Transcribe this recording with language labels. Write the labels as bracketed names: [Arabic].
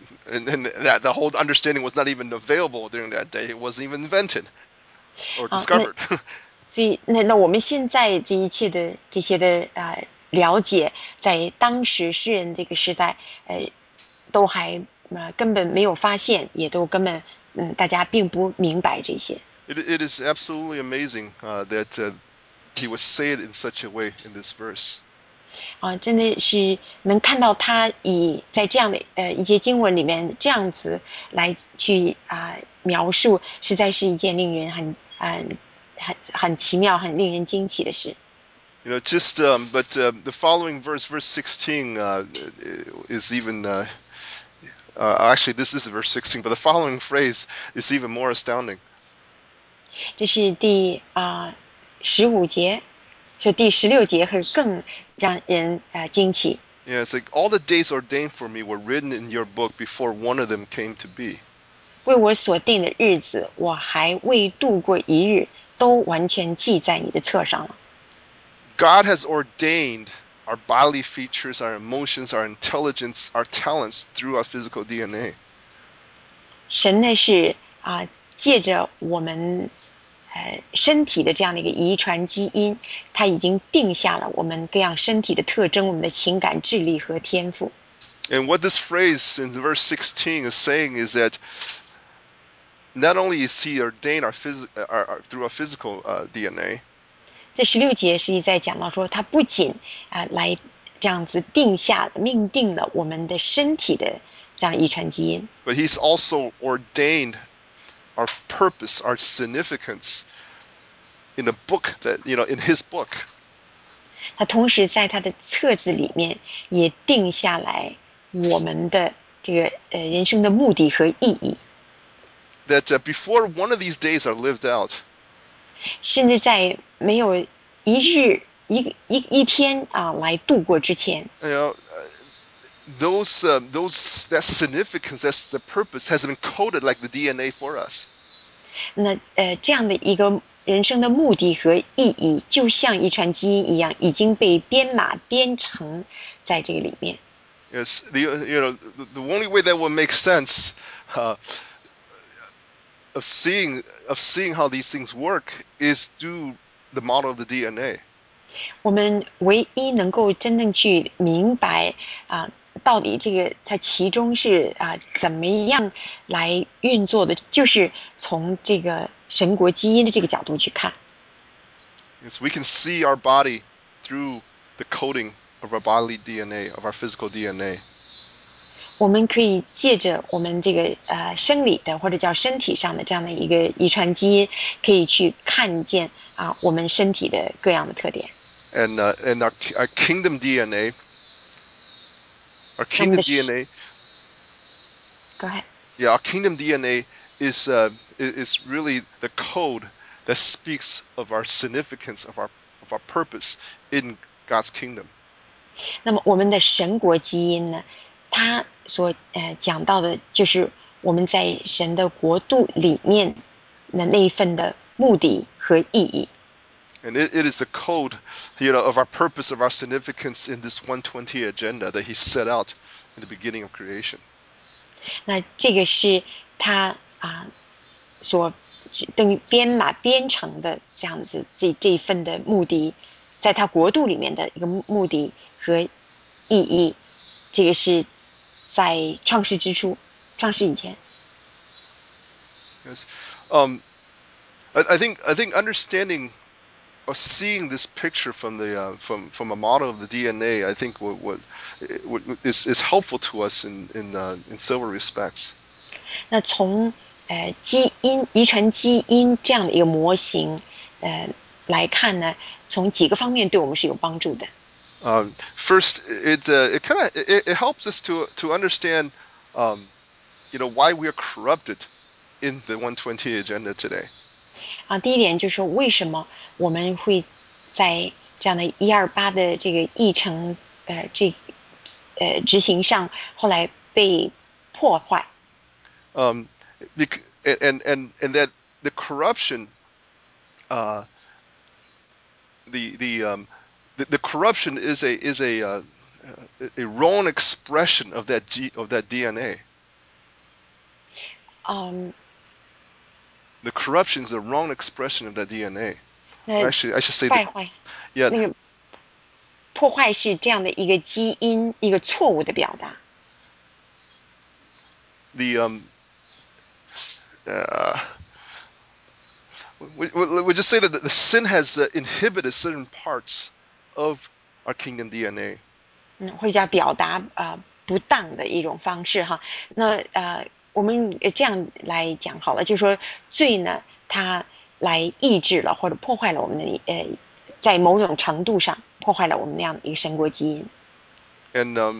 [English] And that the whole understanding was not even available during that day. It wasn't even invented or discovered. [Chinese] 那我们现在这一切的这些的了解在当时诗人这个时代都还根本没有发现，也都根本大家并不明白这些。 [English] It is absolutely amazing that he was said in such a way in this verse. [Chinese] 真的是能看到他以在这样的一些经文里面这样子来去描述，实在是一件令人很奇妙、很令人惊奇的事。 [English] You know, just but the following verse, verse 16, is even. Actually, this is verse 16, but the following phrase is even more astounding. [Chinese] 这是第十五节，是第十六节，会更让人惊奇。 [English] Yeah, it's like all the days ordained for me were written in your book before one of them came to be. [Chinese] 为我所定的日子，我还未度过一日，都完全记在你的册上了。 [English] God has ordained our bodily features, our emotions, our intelligence, our talents through our physical DNA. [Chinese] 神呢是借着我们身体的这样的一个遗传基因，它已经定下了我们各样身体的特征，我们的情感、智力和天赋。 [English] And what this phrase in verse 16 is saying is that not only is he ordained through our physical DNA. [Chinese] 在十六节实际在讲到说，他不仅来这样子定下命定了我们的身体的这样遗传基因。 [English] But he's also ordained our purpose, our significance in a book that you know in his book. [Chinese] 他同时在他的册子里面也定下来。我们的这个人生的目的和意义。 [English] That before one of these days are lived out. [Chinese] 甚至在没有一日 一天来度过之前。 [English] You know, that significance, that's the purpose has been coded like the DNA for us. [Chinese] 那这样的一个人生的目的和意义，就像遗传基因一样，已经被编码编程在这个里面。 [English] Yes, the only way that would make sense of seeing how these things work is through the model of the DNA. [Chinese] 我们唯一能够真正去明白到底这个它其中是怎么样来运作的，就是从这个神国基因的这个角度去看。 [English] Yes, we can see our body through the coding. Of our bodily DNA, of our physical DNA. [Chinese] 我们可以借着我们这个生理的或者叫身体上的这样的一个遗传基因，可以去看见我们身体的各样的特点。 [English] And our kingdom DNA, our kingdom DNA. Go ahead. Yeah, our kingdom DNA is really the code that speaks of our significance, of our purpose in God's kingdom. [Chinese] 那么我们的神国基因呢，它所讲到的就是我们在神的国度里面的那一份的目的和意义。 [English] And it is the code, you know, of our purpose, of our significance in this 120 agenda that he set out in the beginning of creation. [Chinese] 那这个是他所等于编码编程的这样子这一份的目的，在他国度里面的一个目的。和意义，这个是在创世之初，创世以前。 [English] Yes, I think understanding or seeing this picture from the from a model of the DNA, I think what is helpful to us in several respects. [Chinese] 那从基因遗传基因这样的一个模型来看呢，从几个方面对我们是有帮助的。 [English] First, it helps us to understand, you know, why we are corrupted in the 120 agenda today. [Chinese] 第一点就是说为什么我们会在这样的128的这个议程执行上后来被破坏。 [English] And that the corruption, The corruption is a wrong expression of that DNA. The corruption is a wrong expression of that DNA. Actually, I should say [Chinese] 败坏。 [English] Yeah. [Chinese] 那个破坏是这样的一个基因一个错误的表达。 [English] We just say that the sin has inhibited certain parts. Of our kingdom DNA. [Chinese] 会叫表达不当的一种方式哈。那我们这样来讲好了，就是说罪呢，它来抑制了或者破坏了我们的在某种程度上破坏了我们那样的一个神国基因。